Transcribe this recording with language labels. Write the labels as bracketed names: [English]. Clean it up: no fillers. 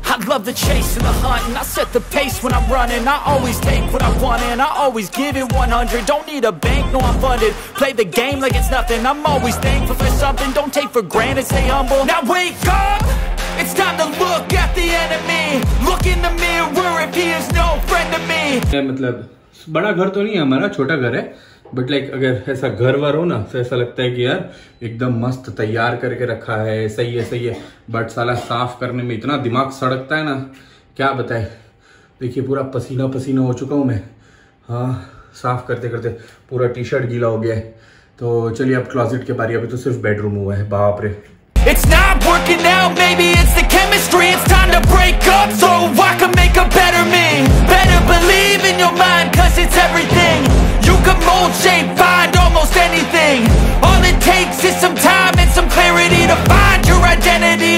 [English] The chase and the hunt, and I set the pace when I'm running. I always take what I want, and I always give it 100. Don't need a bank, no, I'm funded. Play the game like it's nothing. I'm always thankful for something. Don't take for granted, stay humble. Now wake up, it's time to look at the enemy. Look in the mirror if he is no friend to me. [Hindi] Yeah, मतलब बड़ा घर तो नहीं है हमारा, छोटा घर है, बट लाइक अगर ऐसा घर वर हो ना तो ऐसा लगता है कि यार एकदम मस्त तैयार करके रखा है, सही है सही है, बट साला साफ करने में इतना दिमाग सड़कता है ना, क्या बताए। देखिए पूरा पसीना पसीना हो चुका हूँ मैं, हाँ साफ करते करते पूरा टी शर्ट गीला हो गया है। तो चलिए अब क्लॉजिट के बारी, अभी तो सिर्फ बेडरूम हुआ है, बाप रे। [English] It's not working out, maybe it's the chemistry. It's time to break up so I can make a better me. Better believe in your mind, cause it's everything. You can mold, shape, find almost anything. All it takes is some time and some clarity to find your identity.